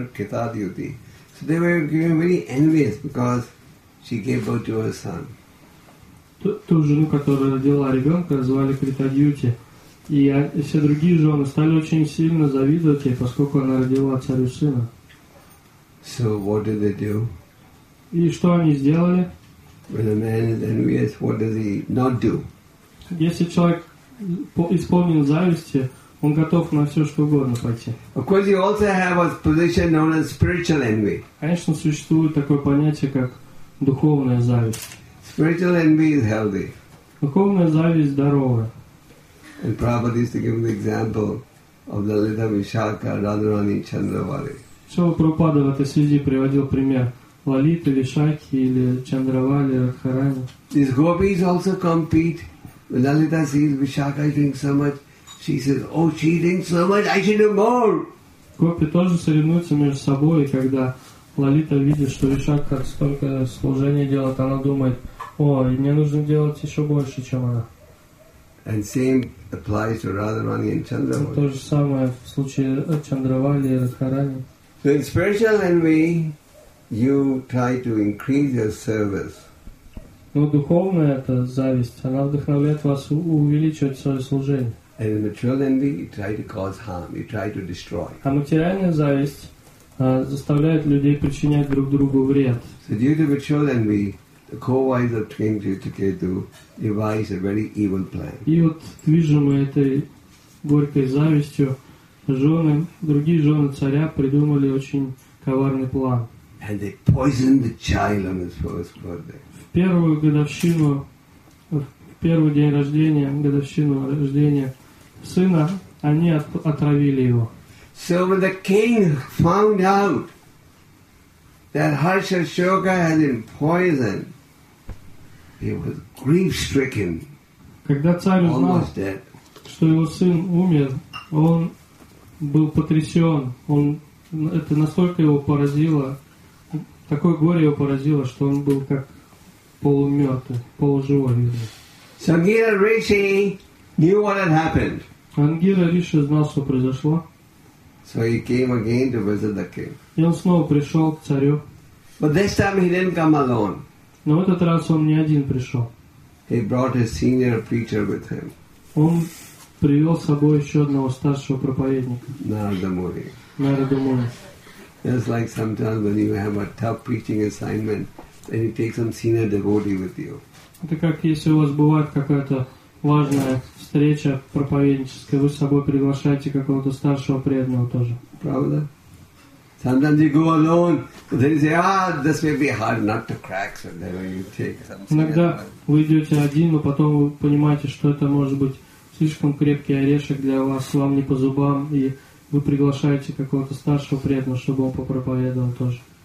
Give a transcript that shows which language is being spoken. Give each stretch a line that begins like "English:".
English: So they were given very envious because she gave birth to her son.
Russian: Ту жену, которая родила ребенка, звали Критадьюти. И все другие жены стали очень сильно завидовать ей, поскольку она родила царю сына.
English: So what did they do?
Russian: И что они сделали?
English: When a man is envious, what does he not do?
Russian: Если человек исполнен зависти, он готов на все, что угодно пойти.
English: Of course, you also have a position known as spiritual envy.
Russian: Конечно, существует такое понятие, как духовная зависть.
English: Spiritual envy is healthy.
Russian: Духовная зависть здоровая.
English: And Prabhupada used to give the example of Lalita Vishakha, Radharani Chandravari.
Russian: Шрила Прабхупада в этой связи приводил пример Лалиты Вишакхи или Чандравали Радхарани.
English: These gopis also compete. When Lalita sees Vishakha eating so much, she says, oh, she drinks so much, I should do more.
Russian: Гопи тоже соревнуются между собой, и когда Лалита видит, что Вишакха столько служения делает, она думает, о, мне нужно делать еще больше, чем она.
English: And same applies to Radharani and Chandravali.
Russian: То же самое в случае Чандравали и Радхарани.
English: So in spiritual envy, you try to increase your service.
Russian: Но духовная это зависть, она вдохновляет вас увеличивать свое служение.
English: And in material envy, you try to cause harm, you try to destroy.
Russian: А материальная зависть заставляет людей причинять друг другу вред.
English: So due to material envy, the co-wives of King Chittaketu devise a very evil plan.
Russian: И вот движимые этой горькой завистью жены, другие жены царя придумали очень коварный план.
English: And they poisoned the child on his first birthday.
Russian: В первую годовщину, в первый день рождения, годовщину рождения сына, они отравили его.
English: So when the king found out that Harshashoka had been poisoned, he was grief-stricken.
Russian: Когда царь узнал, что его сын умер, он был потрясен, он это настолько его поразило, такое горе его поразило, что он был как полумертвый, полуживой.
English: Сангира Риши knew what had happened.
Russian: Ангира Риши знал, что произошло.
English: So he came again to visit the king.
Russian: И он снова пришел к царю.
English: But this time he didn't come alone.
Russian: Но в этот раз он не один пришел.
English: He brought his senior preacher with him.
Russian: Он привел с собой еще одного старшего проповедника. Нарада Муни. Нарада Муни.
English: Just like sometimes when you have a tough preaching assignment, then you take some senior devotee with you.
Russian: Это как если у вас бывает какая-то важная встреча проповедническая, вы с собой приглашаете какого-то старшего преданного тоже. Правда?
English: Sometimes you go alone, but then you say, ah, this may be hard not to crack, so then you take some.
Russian: Иногда вы идете один, но потом вы понимаете, что это может быть слишком крепкий орешек для вас, вам не по зубам, и вы приглашаете какого-то старшего преданного, чтобы он попроповедовал тоже.